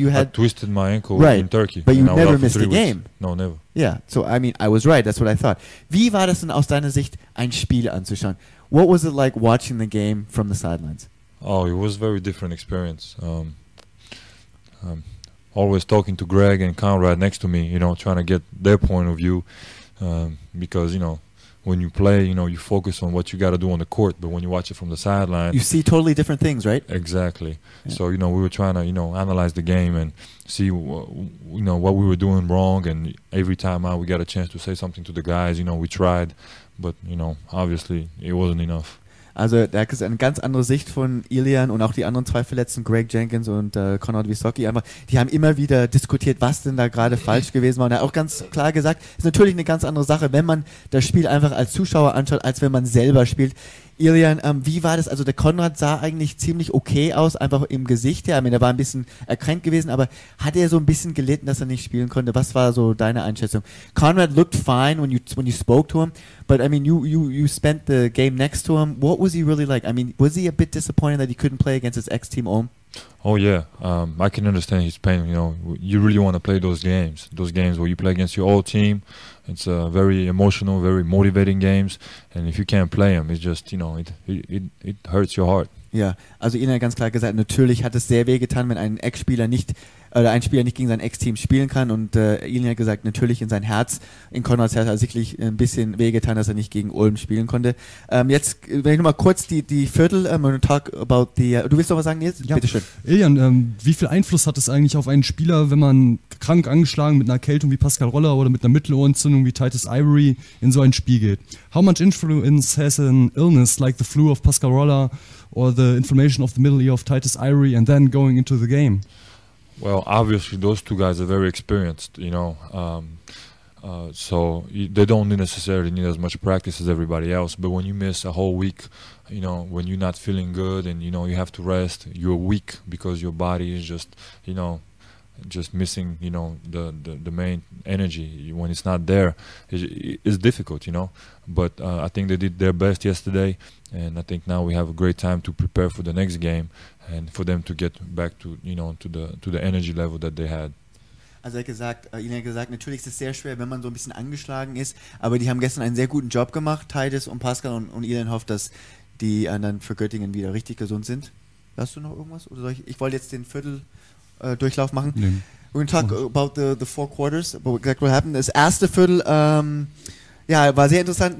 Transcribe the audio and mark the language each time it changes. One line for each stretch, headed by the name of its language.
English: I twisted my ankle in Turkey. But you never missed a game. No, never. Yeah, so I mean, I was right. That's what I thought.
German: Wie war das denn aus deiner Sicht, ein Spiel anzuschauen?
English: What was it like watching the game from the sidelines? Oh, it was a very different experience. Always talking to Greg and Conrad next to me, you know, trying to get their point of view. Because, you know, when you play, you know, you focus on what you got to do on the court. But when you watch it from the sideline, you see totally different things, right? Exactly. Yeah. So, you know, we were trying to, you know, analyze the game and see, you know, what we were doing wrong. And every time out, we got a chance to say something to the guys, you know, we tried. But, you know, obviously it wasn't enough.
German: Also da gibt es eine ganz andere Sicht von Ilian und auch die anderen zwei Verletzten, Greg Jenkins und Konrad Wysocki. Einfach, die haben immer wieder diskutiert, was denn da gerade falsch gewesen war. Und er hat auch ganz klar gesagt, es ist natürlich eine ganz andere Sache, wenn man das Spiel einfach als Zuschauer anschaut, als wenn man selber spielt. Ilian, wie war das? Also der Konrad sah eigentlich ziemlich okay aus, einfach im Gesicht. Ja, ich meine, er war ein bisschen erkrankt gewesen, aber hat er so ein bisschen gelitten, dass er nicht spielen konnte? Was war so deine Einschätzung?
English: Konrad looked fine when you spoke to him, but I mean, you spent the game next to him. What was he really like? I mean, was he a bit disappointed that he couldn't play against his ex-team Ulm? Oh yeah, I can understand his pain. You know, you really want to play those games where you play against your old team. It's a very emotional, very motivating games, and if you can't play them, it's just, you know, it hurts your heart.
German: Ja, also Ihnen hat ganz klar gesagt, natürlich hat es sehr weh getan, wenn ein Ex-Spieler nicht oder ein Spieler nicht gegen sein Ex-Team spielen kann. Und Ihnen hat gesagt, natürlich in sein Herz, in Konrads Herz hat sicherlich ein bisschen weh getan, dass er nicht gegen Ulm spielen konnte. Jetzt, wenn ich nochmal kurz die Viertel,
English: talk about the,
German: du willst noch was sagen, Nils? Ja. Bitte schön. Ilian, wie viel Einfluss hat es eigentlich auf einen Spieler, wenn man krank angeschlagen mit einer Erkältung wie Pascal Roller oder mit einer Mittelohrentzündung wie Titus Ivory in so ein Spiel geht?
English: How much influence has an illness like the flu of Pascal Roller or the inflammation of the middle ear of Titus Ivory and then going into the game? Well, obviously those two guys are very experienced, you know, so they don't necessarily need as much practice as everybody else. But when you miss a whole week, you know, when you're not feeling good and, you know, you have to rest, you're weak because your body is just, you know, just missing, you know, the main energy. When it's not there, it's difficult, you know, but I think they did their best yesterday, and I think now we have a great time to prepare for the next game and for them to get back to, you know, to the energy level that they had.
German: Also er hat gesagt, natürlich ist es sehr schwer, wenn man so ein bisschen angeschlagen ist, aber die haben gestern einen sehr guten Job gemacht, Titus und Pascal, und Ilian hofft, dass die anderen für Göttingen wieder richtig gesund sind. Hast du noch irgendwas? Oder soll ich wollte jetzt den Viertel Durchlauf machen. Nee.
English: We're going to talk about the four quarters, but exactly what happened.
German: Das erste Viertel war sehr interessant.